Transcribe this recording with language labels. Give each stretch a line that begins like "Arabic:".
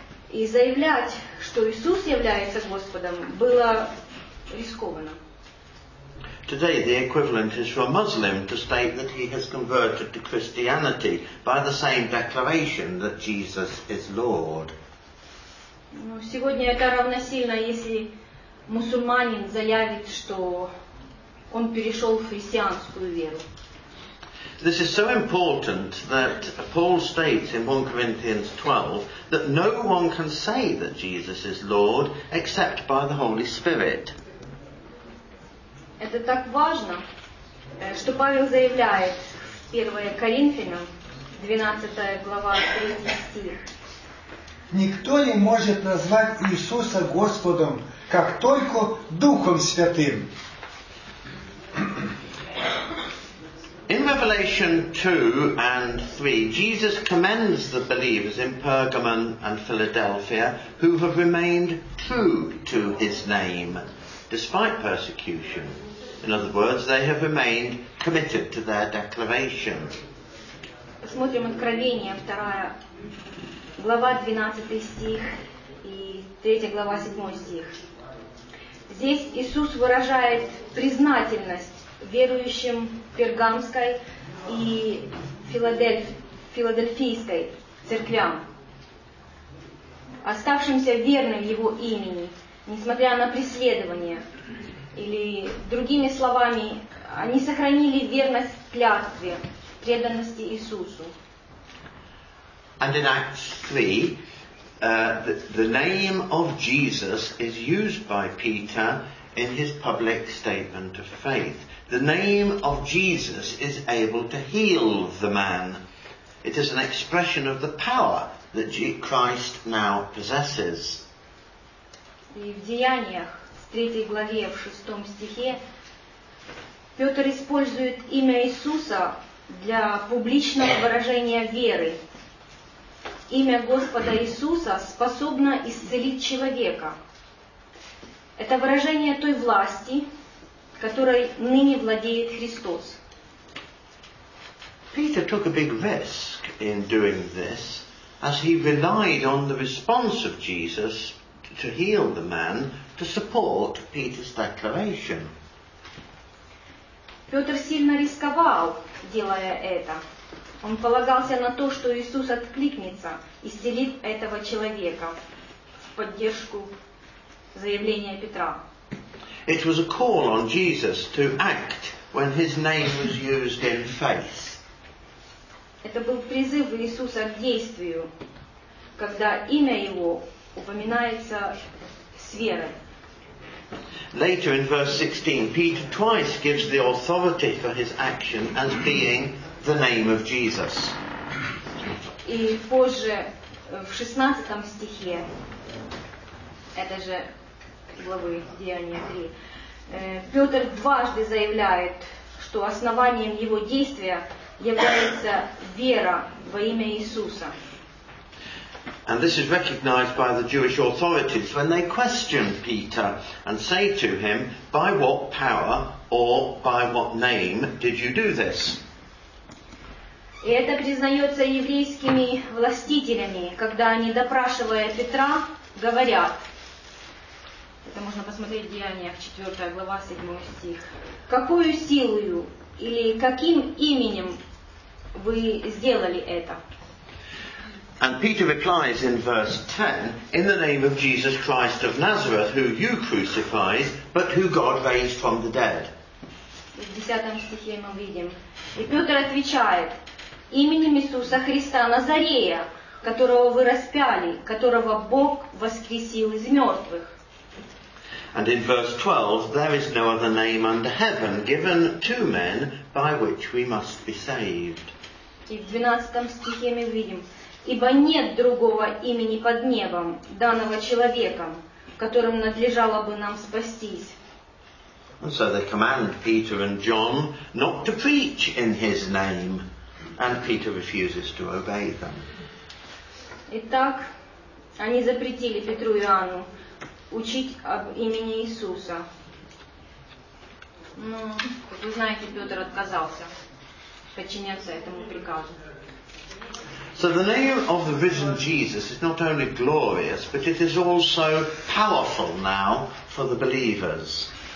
Russian: И заявлять, что Иисус является Господом, было рискованно.
English: Today the equivalent is for a Muslim to state that he has converted to Christianity by the same declaration that Jesus is Lord.
Russian: Сегодня это равносильно, если мусульманин заявит, что он перешел в христианскую веру.
English: This is so important that Paul states in 1 Corinthians 12 that no one can say that Jesus is Lord except by the Holy Spirit.
Russian: Это так важно, что Павел заявляет в 1 Коринфянам, 12 глава, 3 стих. Никто не может назвать Иисуса Господом, как только Духом Святым.
English: In Revelation 2 and 3, Jesus commends the believers in Pergamon and Philadelphia who have remained true to his name despite persecution. In other words, they have remained committed to their declaration.
Russian: Посмотрим Откровение, 2 глава, 12 стих и 3 глава, 7 стих. Здесь Иисус выражает признательность верующим Пергамской и Филадельфийской церквям, оставшимся верным Его имени, несмотря на преследование. Или другими словами, они сохранили верность клятве, преданности Иисусу.
English: And in Acts 3, the name of Jesus is used by Peter in his public statement of faith. The name of Jesus is able to heal the man. It is an expression of the power that Christ now possesses.
Russian: И в Деяниях, в 3 главе, в 6 стихе, Петр использует имя Иисуса для публичного выражения веры. Имя Господа Иисуса способно исцелить человека. Это выражение той власти, которой ныне владеет Христос.
English: Peter took a big risk in doing this, as he relied on the response of Jesus to heal the man to support Peter's declaration.
Russian: Петр сильно рисковал, делая это. Он полагался на то, что Иисус откликнется и исцелит этого человека в поддержку заявления Петра.
English: It was a call on Jesus to act when his name was used in faith.
Russian: Это был призыв Иисуса к действию, когда имя Его упоминается с верой.
English: Later in verse 16, Peter twice gives the authority for his action as being the name of Jesus.
Russian: И позже, в 16 стихе, это же главы Деяния 3. Петр дважды заявляет, что основанием его действия является вера во имя Иисуса.
English: And this is recognized by the Jewish authorities when they question Peter and say to him, by what power or by what name did you do this?
Russian: И это признается еврейскими властителями, когда они, допрашивая Петра, говорят, это можно посмотреть в Деяниях, 4 глава, 7 стих. Какую силою или каким именем вы сделали это?
English: And Peter replies in verse 10, in the name of Jesus Christ of Nazareth, who you crucified, but who God raised from the dead.
Russian: В 10 стихе мы видим. И Петр отвечает, именем Иисуса Христа Назарея, которого вы распяли, которого Бог воскресил из мертвых.
English: And in verse 12, there is no other name under heaven given to men by which we must be saved.
Russian: И в 12 стихе мы видим, ибо нет другого имени под небом, данного человеком, которым надлежало бы нам спастись.
English: And so they command Peter and John not to preach in his name, and Peter refuses to obey them.
Russian: Итак, они запретили Петру и Иоанну учить об имени Иисуса. Но, как вы знаете, Петр отказался подчиняться этому приказу.
English: So the name of the risen Jesus is not only glorious, but it is also powerful now for the believers.